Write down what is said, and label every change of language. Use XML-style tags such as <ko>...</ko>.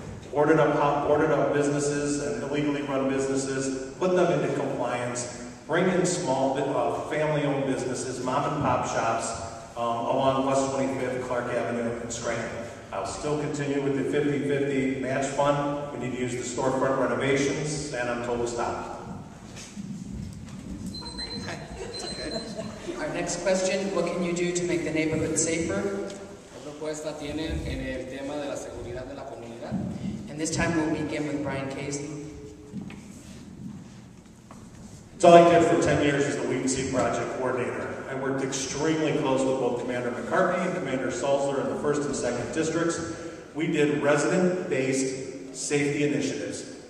<en>boarded up businesses and illegally run businesses, put them into compliance, bring in small family-owned businesses, mom-and-pop shops along West 25th, Clark Avenue, and Scranton. I'll still continue with the 50-50 match fund. We need to use the storefront renovations, and I'm told to stop. Our next question, what can you do to make the neighborhood safer?</en> <es>Propuesta tiene en el tema de la seguridad de la comunidad.</es> <en>And this time we'll begin with Brian Kazy. It's all I did for 10 years as the Weed and Seed Project Coordinator. I worked extremely close with both Commander McCartney and Commander Salzler in the 1st and 2nd Districts. We did resident-based safety initiatives.</en>